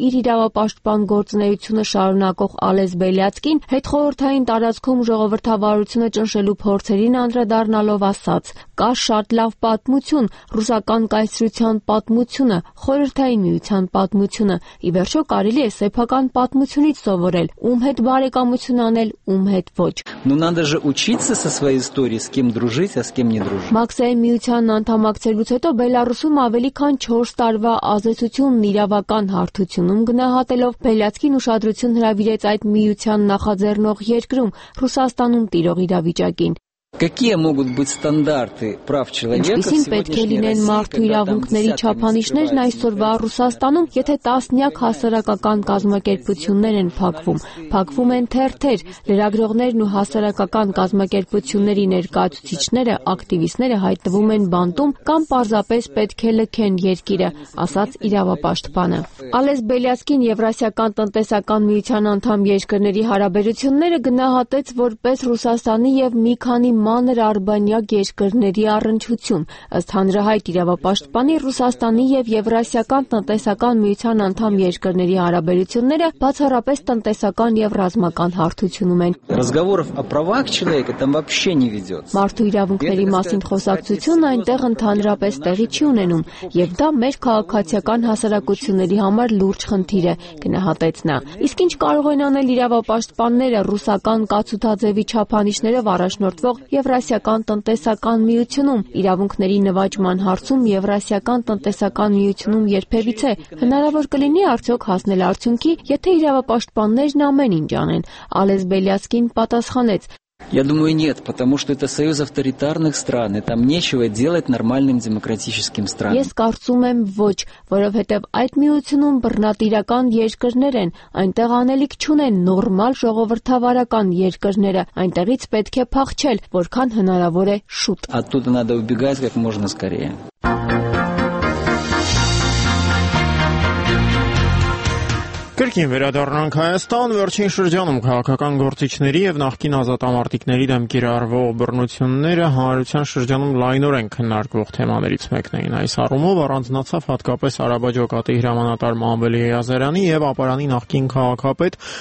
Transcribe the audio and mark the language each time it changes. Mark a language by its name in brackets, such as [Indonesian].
[Armenian] իր իրավապաշտպան գործունեությունը շարունակող Ալես Բելյացկին հետխորհրդային տարածքում ժողովրդավարությունը ճնշելու փորձերի անդրադառնալով ասաց. «Կա շատ լավ պատմություն, ռուսական կայսրության պատմությունը, խորհրդային միության պատմությունը, ի վերջո կարելի է սեփական պատմությունից սովորել, ում հետ բարեկամություն անել, ում հետ ոչ»։ [Russian] Ну надо же учиться со своей историей, с кем дружить, а с кем не дружить։ [Armenian] Մաքսային միության անդամակցելուց հետո Բելարուսում ավելի քան 4 տարվա ազատությունն իրավական հարթությունում գնահատելով Բելյացկին ուշադրություն հրավիրեց այդ միության նախաձեռնող երկրում, Ռուսաստանում տիրող իրավիճակին։ [Russian] Какие могут быть стандарты прав человека? [Armenian] Ինչպես պետք է լինեն մարդու իրավունքների չափանիշներն այսօրվա Ռուսաստանում, եթե տասնյակ հասարակական կազմակերպություններ են փակվում, փակվում են թերթեր, լրագրողներն ու հասարակական կազմակերպությունների ներկայացուցիչները, ակտիվիստները հայտնվում են բանտում կամ պարզապես պետք է լքեն երկիրը, ասաց իրավապաշտպանը։ Ալես Բելյասկին Եվրասիական տնտեսական միության անդամ երկրների հարաբերությունները գնահատեց որպես Ռուսաստանի եւ մի քանի մանր արբանյակ երկրների առնչություն։ Ըստ հանրահայտ իրավապաշտպանի, Ռուսաստանի եւ Եվրասիական տնտեսական միության անդամ երկրների հարաբերությունները բացառապես տնտեսական եւ ռազմական հարթությունում են։ [Russian] Разговоров о правах человека там вообще не ведётся։ [Armenian] Մարդու իրավունքների մասին խոսակցությունը այնտեղ ընդհանրապես տեղի չի ունենում եւ դա մեր քաղաքացիական հասարակությունների համար լուրջ խնդիր է, գնահատեց նա։ Իսկ ինչ կարող են անել իրավապաշտպանները ռուսական կացութաձևի չափանիշները վարաշնորթ Եվրասիական տնտեսական միությունում, իրավունքների նվաճման հարցում Եվրասիական տնտեսական միությունում երբևիցե հնարավոր կլինի արդյոք հասնել արդյունքի, եթե իրավապաշտպաններն ամեն ինչ անեն, Ալես Բելյասկին պատասխանեց. [Russian] Я думаю, нет, потому что это союз авторитарных стран, и там нечего делать нормальным демократическим странам. [Armenian] Ես կարծում եմ ոչ, որովհետև այդ միությունում բռնատիրական երկրներ են, այնտեղ անելիք չունեն նորմալ ժողովրդավարական երկրները, այնտեղից պետք է փախչել, որքան հնարավոր է շուտ. [Russian] Оттуда надо убегать как можно скорее. [Armenian] Կրկին վերադառնանք Հայաստան, վերջին շրջանում քաղաքական գործիչների եւ նախկին ազատամարտիկների դեմ կիրառվող բռնությունները հանրության շրջանում լայնորեն քննարկվող թեմաներից մեկն էին։ Այս առումով առանձնացավ հատկապես Արաբաջոկատի հրամանատար Մամբելի Եզերյանի եւ Ապարանի նախկին քաղաքապետ